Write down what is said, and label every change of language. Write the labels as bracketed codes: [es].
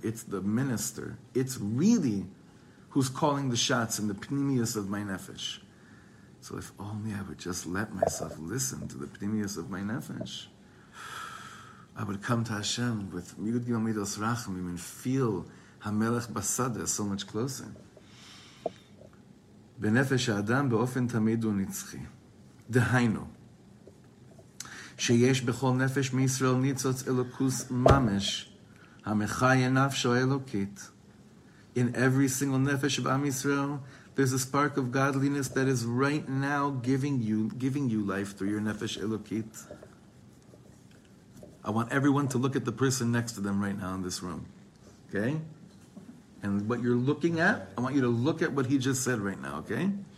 [en] It's the minister. It's really who's calling the shots in the pnimius of my nefesh. So if only I would just let myself listen to the pnimius of my nefesh, I would come to Hashem with [he] yud gimel midos rachamim [en] and feel [he] hamelech basadeh [en] so much closer. [he] בנפש האדם באופן תמיד הוא נצחי. דהיינו, שיש בכל נפש מישראל ניצוץ אלוקוס ממש, המחי נפשו אלוקית. [en] In every single נפש of Am Yisrael, there's a spark of godliness that is right now giving you life through your [he] נפש אלוקית. [en] I want everyone to look at the person next to them right now in this room. Okay? And what you're looking at, I want you to look at what he just said right now, okay?